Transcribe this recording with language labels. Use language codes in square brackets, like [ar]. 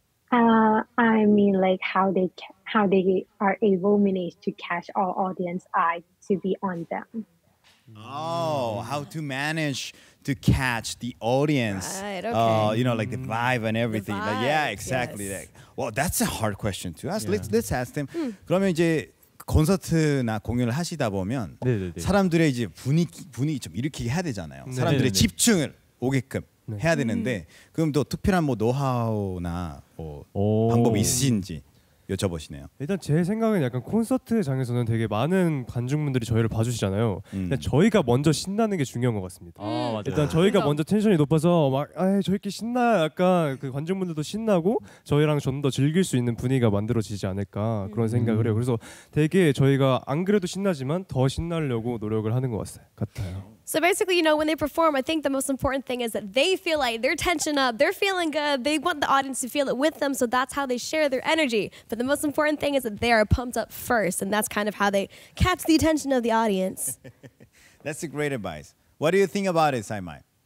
[en] I mean, like how they are able manage to catch all audience eye to be on them. Oh, how to manage to catch the audience, right, okay. You know, like the vibe and everything. Vibe, but yeah, exactly. Yes. Like, well, that's a hard question to ask. Yeah. Let's ask them. [ko] 그러면 이제 콘서트나 공연을 하시다 보면 네네네. 사람들의 이제 분위기 좀 일으키게 해야 되잖아요. 네네네. 사람들의 집중을 오게끔 네. 해야 되는데 그럼 또 특별한 뭐 노하우나 뭐 방법이 있으신지 여쭤보시네요. 일단 제 생각은 약간 콘서트장에서는 되게 많은 관중분들이 저희를 봐주시잖아요. 저희가 먼저 신나는 게 중요한 것 같습니다. 맞아요. 일단 저희가 먼저 텐션이 높아서 막 저희끼리 신나 약간 그 관중분들도 신나고 저희랑 좀 더 즐길 수 있는 분위기가 만들어지지 않을까 그런 생각을 해요. 그래서 되게 저희가 안 그래도 신나지만 더 신나려고 노력을 하는 것 같아요. [en] So basically, you know, when they perform, I think the most important thing is that they feel like they're tensioned up, they're feeling good, they want the audience to feel it with them, so that's how they share their energy. But the most important thing is that they are pumped up first, and that's kind of how they catch the attention of the audience. That's a great advice. What do you think about it, Saimai?